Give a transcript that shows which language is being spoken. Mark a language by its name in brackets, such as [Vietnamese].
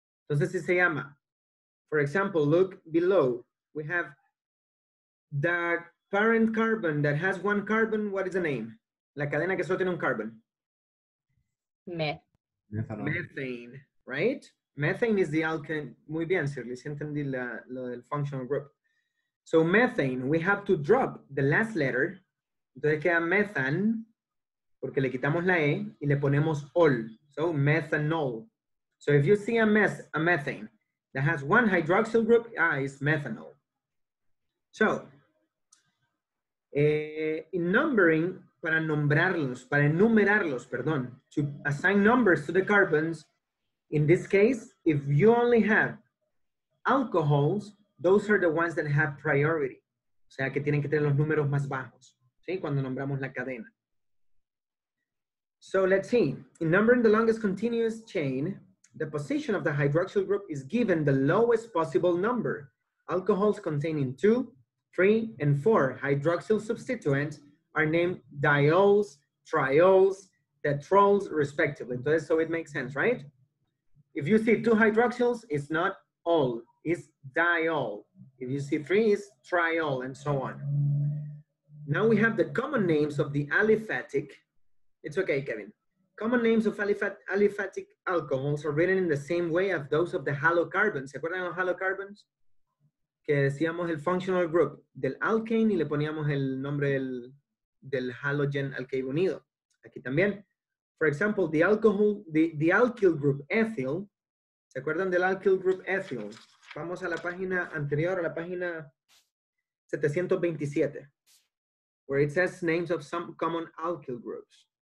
[Spanish] Entonces, si se llama, [English] for example, look below, we have the parent carbon that has one carbon, what is the name? [Spanish] La cadena que solo tiene un carbon. [English] Methane, right? Methane is the alkane. [Spanish] Muy bien, Sirly, si entendí lo del [English] functional group. So methane, we have to drop the last letter. [Spanish] Entonces queda methan, porque le quitamos la E y le ponemos ol. [English] So methanol. So if you see a methane that has one hydroxyl group, it's methanol. So, in numbering, [Spanish] para nombrarlos, para enumerarlos, perdón, [English] to assign numbers to the carbons, in this case, if you only have alcohols, those are the ones that have priority. [Spanish] O sea, que tienen que tener los números más bajos, ¿sí? Cuando nombramos la cadena. [English] So let's see. In numbering the longest continuous chain, the position of the hydroxyl group is given the lowest possible number. Alcohols containing 2, 3, and 4 hydroxyl substituents are named diols, triols, tetrols, respectively. Entonces, so it makes sense, right? If you see 2 hydroxyls, it's not ol, it's diol. If you see 3, it's triol, and so on. Now we have the common names of the aliphatic. It's okay, Kevin. Common names of aliphatic alcohols are written in the same way as those of the halocarbons. [Spanish] ¿Se acuerdan los halocarbons? Que decíamos el functional group del alkane y le poníamos el nombre del halogen al que iba unido. Aquí también. [English] For example, the alkyl group ethyl. [Spanish] ¿Se acuerdan del alkyl group ethyl? Vamos a la página anterior, a la página 727, [English] where it says names of some common alkyl groups.